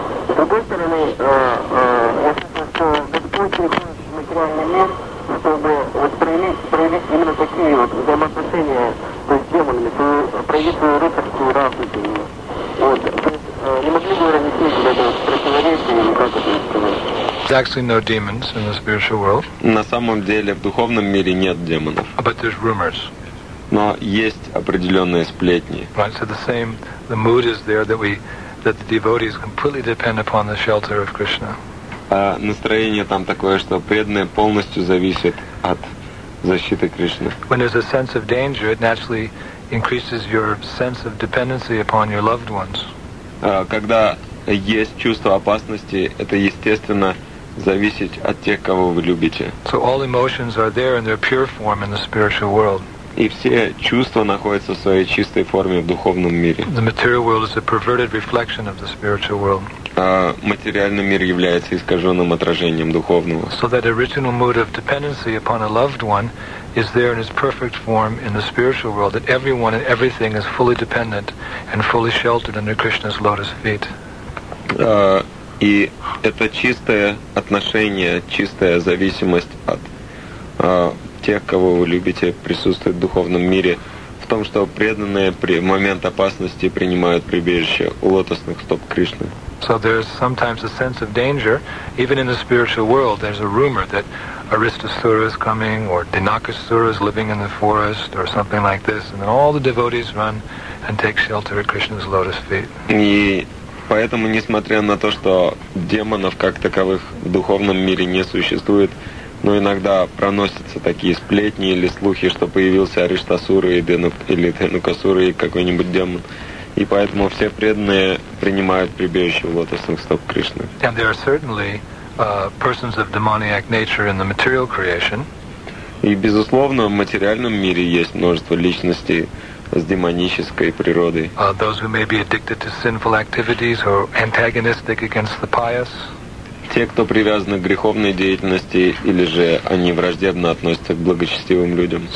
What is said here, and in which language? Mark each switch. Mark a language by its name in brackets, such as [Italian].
[Russian] С другой стороны, я слышал, что Господь приходит в материальный мир, чтобы вот проявить именно такие вот взаимоотношения [English] There's actually no demons in the spiritual world. [Russian] На самом деле в духовном мире нет демонов. [English] But there's rumors. [Russian] Но есть определенные сплетни. [English] Right, so the same, the mood is there that the devotees completely depend upon the shelter of Krishna. [Russian] настроение там такое, что преданное полностью зависит от защиты Кришны. [English] When there's a sense of danger, it naturally increases your sense of dependency upon your loved ones. [Russian] Когда есть чувство опасности, это естественно зависеть от тех, кого вы любите. [English] So all emotions are there in their pure form in the spiritual world. [Russian] И все чувства находятся в своей чистой форме в духовном мире. [English] The material world is a perverted reflection of the spiritual world. [Russian] Материальный мир является искаженным отражением духовного. [English] So that original mood of dependency upon a loved one is there in its perfect form in the spiritual world, that everyone and everything is fully dependent and fully sheltered under Krishna's lotus feet. [Russian] И это чистое отношение, чистая зависимость от тех, кого вы любите, присутствует в духовном мире, в том, что преданные при момент опасности принимают прибежище у лотосных стоп Кришны. [English] So there's sometimes a sense of danger, even in the spiritual world, there's a rumor that Aristasura is coming, or Dinakasura is living in the forest, or something like this, and then all the devotees run and take shelter at Krishna's lotus feet. [Russian] И поэтому, несмотря на то, что демонов как таковых в духовном мире не существует, но иногда проносятся такие сплетни или слухи, что появился Ариштасура или Дхенукасура и какой-нибудь демон. И поэтому все преданные принимают прибежище в лотосных стоп Кришны. [English] And there are certainly persons of demoniac nature in the material creation. [Russian] И безусловно, в материальном мире есть множество личностей с демонической природой. [English] Those who may be addicted to sinful activities or antagonistic against the pious. [Russian] Те, кто привязаны к греховной деятельности, или же они враждебно относятся к благочестивым людям.